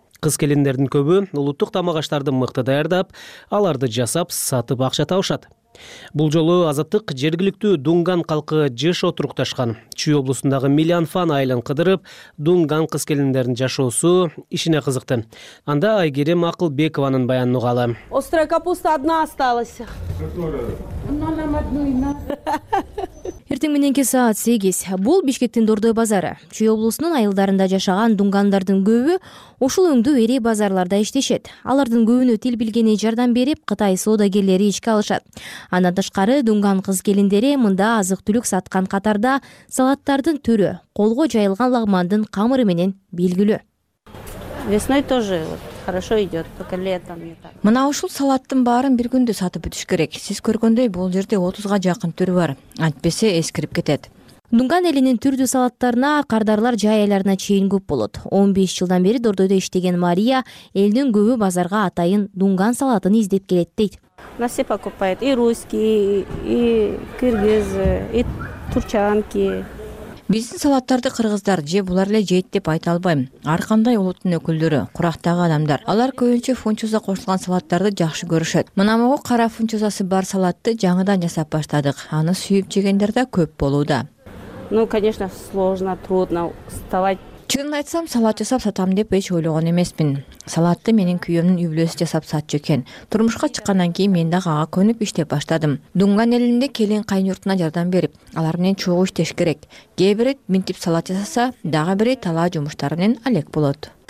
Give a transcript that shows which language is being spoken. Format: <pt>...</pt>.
<ky>Кыз келиндердин көбү улуттук тамак аштарды мыкты даярдап, аларды жасап сатып акча табышат. Бул жолу Азаттык жергиликтүү Дунган калкы жыш отурукташкан. Чүй облусундагы Милианфан айылын кыдырып, Дунган кыз келиндердин жашоосу ишине кызыкты. Анда Айгерим Акылбекованын баянын угалы.</ky> <ru>Острая капуста одна осталась.</ru> <ky>Эртең мененки саат 8. Бул Бишкектин Дордой базары. Чүй облусунун айылдарында жашаган дунгандардын көбү ушул өңдүү ири базарларда иштешет. Алардын көбүнө тил билгени жардам берип, Кытай соодагерлери ичке алышат. Андан тышкары дунган кыз келиндери мында азык түлүк саткан катарда салаттардын түрү, колго жайылган лагмандын камыры менен белгилүү.</ky> <ru>Весной тоже хорошо идет, только летом не так.</ru> <ky>Мына ушул салаттын баарын бир күндө сатып бүтүш керек. Сиз көргөндөй бул жерде 30га жакын түрү бар. Антпесе эскирип кетет. Дунган элинин түрдүү салаттарына, кардарлар жай айларына чейин көп болот. 15 жылдан бери Дордойдо иштеген Мария элдин көбү базарга атайын дунган салатын издеп келет дейт.</ky> <ru>На все покупают и русские, и кыргызы, и турчанки.</ru> <ky>Биздин салаттарды кыргыздар же булар эле жейт деп айта албайм. Ар кандай улуттун өкүлдөрү, курактагы адамдар. Алар көбүнчө фунчоза кошулган салаттарды жакшы көрүшөт. Мына могу кара фунчозасы бар салатты жаңыдан жасап баштадык. Аны сүйүп жегендер да көп болууда.</ky> <ru>Ну, конечно, сложно, трудно вставать.</ru> <ky>Чынын айтсам, салат жасап сатам деп эч ойлогон эмесмин. Салатты менин күйөөмдүн үй-бүлөсү жасап сатчу экен. Турмушка чыккандан кийин мен дагы ага көнүп иштеп баштадым. Дунган элинде келин кайын журтуна жардам берип, алар менен чогуу иштеш керек. Кээ бири минтип салат жасаса, дагы бири талаа жумуштары менен алек болот.</ky>